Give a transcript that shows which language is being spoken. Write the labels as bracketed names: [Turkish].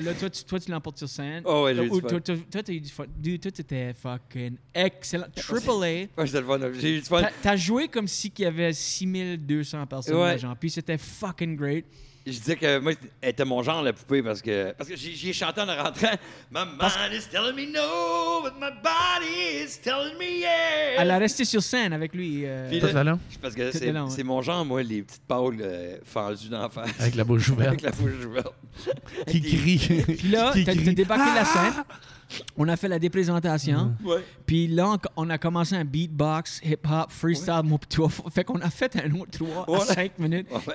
[French] Là, toi, tu l'emportes sur scène. Oh, ouais, j'ai eu du fun. Toi, t'as eu du fun. Dude, toi, t'étais fucking excellent. AAA. Ouais, c'était le fun. J'ai eu du fun. T'as joué comme si qu'il y avait 6200 personnes, ouais. Là, genre. Puis c'était [English] fucking great. [French] Je disais que moi, elle était mon genre, la poupée, parce que j'ai chanté en rentrant. [English] My mind is telling me no, but my body is telling me yes. [French] Elle a resté sur scène avec lui. Tout à l'heure. Parce que c'est, long, c'est mon genre, moi, les petites pâles fendues d'en face. Avec la bouche ouverte. Avec la bouche ouverte. Qui crie. Puis là, t'as débarqué de la scène. On a fait la déprésentation. Puis là, on a commencé un beatbox, hip-hop, freestyle, fait qu'on a fait un autre 3 à 5 minutes. Ouais.